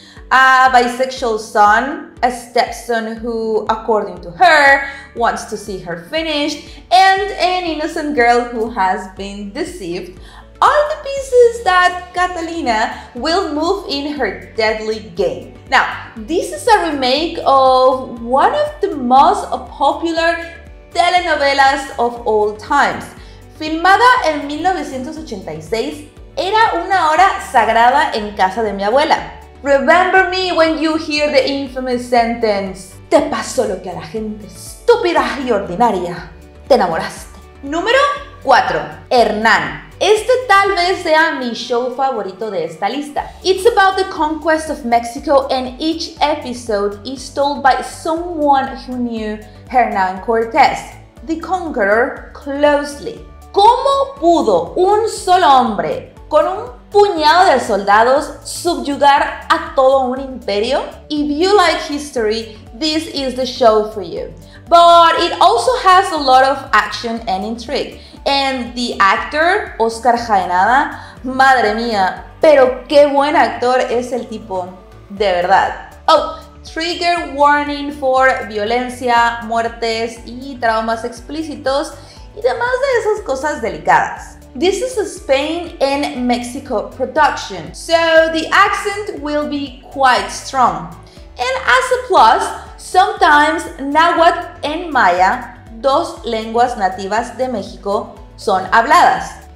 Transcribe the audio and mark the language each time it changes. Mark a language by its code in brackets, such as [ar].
[en] A bisexual son, a stepson who, according to her, wants to see her finished, and an innocent girl who has been deceived, are the pieces that Catalina will move in her deadly game. Now, this is a remake of one of the most popular telenovelas of all times. [es] Filmada en 1986, era una hora sagrada en casa de mi abuela. [en] Remember me when you hear the infamous sentence. [es] Te pasó lo que a la gente estúpida y ordinaria. Te enamoraste. Número 4. Hernán. Este tal vez sea mi show favorito de esta lista. [en] It's about the conquest of Mexico and each episode is told by someone who knew Hernán Cortés, the conqueror, closely. [es] ¿Cómo pudo un solo hombre con un puñado de soldados subyugar a todo un imperio? [en] If you like history, this is the show for you. But it also has a lot of action and intrigue. And the actor, [es] Oscar Jaenada, madre mía, pero qué buen actor es el tipo, de verdad. [en] Oh, trigger warning for [es] violencia, muertes y traumas explícitos y demás de esas cosas delicadas. [en] This is a Spain and Mexico production, so the accent will be quite strong. And as a plus, sometimes Nahuatl and Maya, [es] dos lenguas nativas de México, son habladas.